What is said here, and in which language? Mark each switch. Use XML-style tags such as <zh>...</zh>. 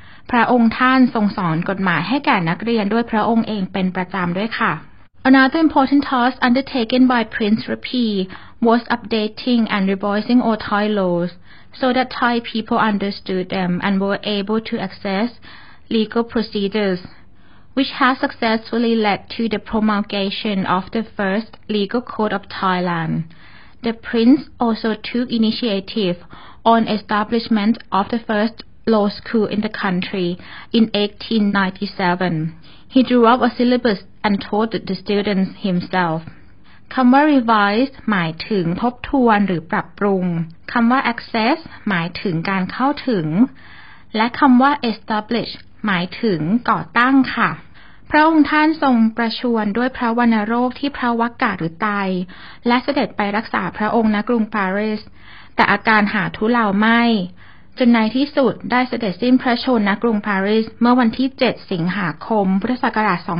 <th>พระองค์ท่านทรงสอนกฎหมายให้แก่นักเรียนด้วยพระองค์เองเป็นประจำด้วยค่ะ</th> <en>Another important task undertaken by Prince Rapi was updating and revising all Thai laws so that Thai people understood them and were able to access legal procedures, which has successfully led to the promulgation of the first legal code of Thailand. The Prince also took initiative on establishment of the first law school in the country in 1897. He drew up a syllabus and taught the students himself.</en> <th>คำว่า revise หมายถึงทบทวนหรือปรับปรุงคำว่า access หมายถึงการเข้าถึงและคำว่า establish หมายถึงก่อตั้งค่ะพระองค์ท่านทรงประชวรด้วยพระวัณโรคที่พระวักกะหรือไตและเสด็จไปรักษาพระองค์ณกรุงปารีสแต่อาการหาทุเลาไม่จนในที่สุดได้เสด็จสิ้นพระชนม์ณกรุงปารีสเมื่อวันที่7สิงหาคมพุทธศักราช</th>